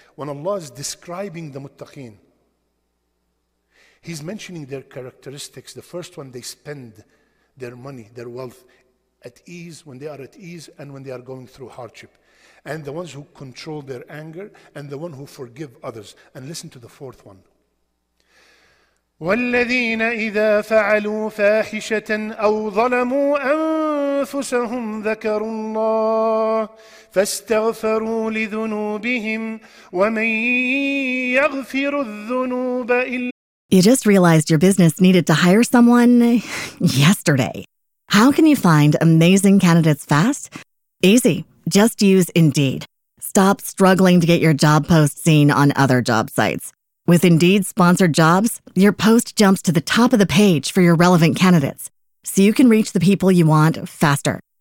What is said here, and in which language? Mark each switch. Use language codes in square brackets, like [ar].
[en] When Allah is describing the muttaqeen, He's mentioning their characteristics. The first one, they spend their money, their wealth at ease, when they are at ease and when they are going through hardship. And the ones who control their anger and the one who forgive others. And listen to the fourth one. [ar] والذين إذا فعلوا فاحشة أو ظلموا أنفسهم ذكروا الله فاستغفروا لذنوبهم ومن يغفر الذنوب إلا. [en] You just realized your business needed to hire someone yesterday. How can you find amazing candidates fast? Easy, just use Indeed. Stop struggling to get your job post seen on other job sites. With Indeed's sponsored jobs, your post jumps to the top of the page for your relevant candidates, so you can reach the people you want faster.